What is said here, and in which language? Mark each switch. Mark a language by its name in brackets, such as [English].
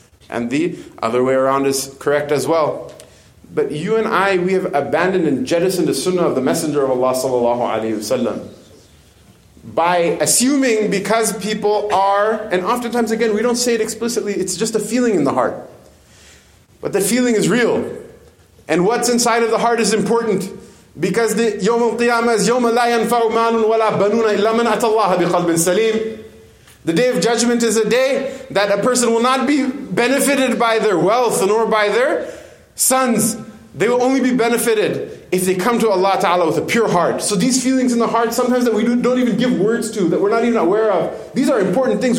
[English] And the other way around is correct as well. But you and I, we have abandoned and jettisoned the sunnah of the Messenger of Allah Sallallahu Alaihi Wasallam by assuming because people are, and oftentimes again, we don't say it explicitly, it's just a feeling in the heart. But the feeling is real. And what's inside of the heart is important. Because the [Arabic] يوم القيامة is يوم لا ينفع مال ولا بنون إلا من أتى الله بقلب سليم. [English] The day of judgment is a day that a person will not be benefited by their wealth nor by their sons. They will only be benefited if they come to Allah Ta'ala with a pure heart. So these feelings in the heart, sometimes that we don't even give words to, that we're not even aware of, these are important things.